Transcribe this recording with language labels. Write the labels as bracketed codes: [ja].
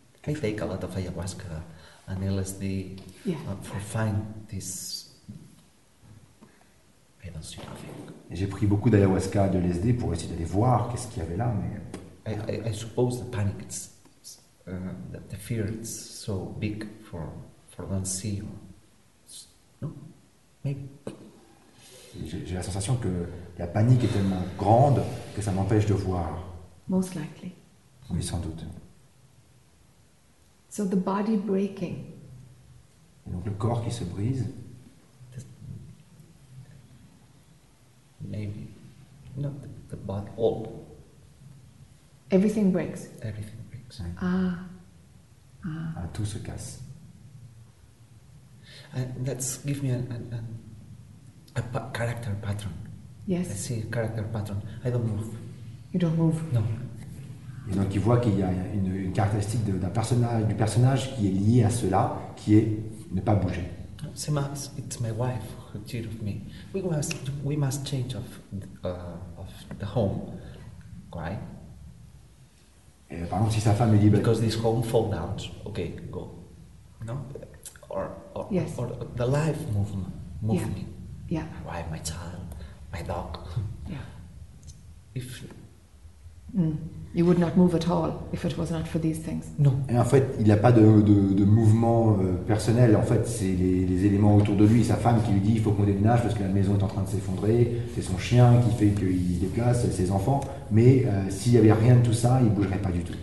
[en] I take a lot of ayahuasca and LSD for find this. I don't see nothing. [fr] J'ai pris beaucoup d'ayahuasca de LSD pour essayer d'aller voir qu'est-ce qu'il y avait là, mais. [en] I suppose the panic, the fear is so big for don't see. Or, no, maybe. [fr] J'ai la sensation que la panique est tellement grande que ça m'empêche de voir. [en] Most likely. [fr] Oui, sans doute. [en] So the body breaking. [fr] Et donc le corps qui se brise. [en] Maybe not the body. All. Everything breaks. Everything breaks. Ah. [fr] Ah. Ah, tout se casse. [en] And that's give me a character pattern. Yes. I see a character pattern. I don't move. You don't move. No. [fr] Et donc il voit qu'il y a une caractéristique d'un personnage, du personnage qui est lié à cela, qui est ne pas bouger. C'est ma, [en] it's my wife who cheated of me. We must change of the home. Why? [fr] Et par exemple, si sa femme est libre. [en] Because this home fall down. Okay, go. No. Or yes. Or the life move yeah. me. Yeah. My wife, my child, my dog. Yeah. If. Mm. You would not move at all if it was not for these things. No. [fr] Et en fait, il n'a pas de mouvement personnel. En fait, c'est les éléments autour de lui. Sa femme qui lui dit il faut qu'on déménage parce que la maison est en train de s'effondrer. C'est son chien qui fait qu'il se déplace, c'est ses enfants. Mais s'il n'y avait rien de tout ça, il ne bougerait pas du tout.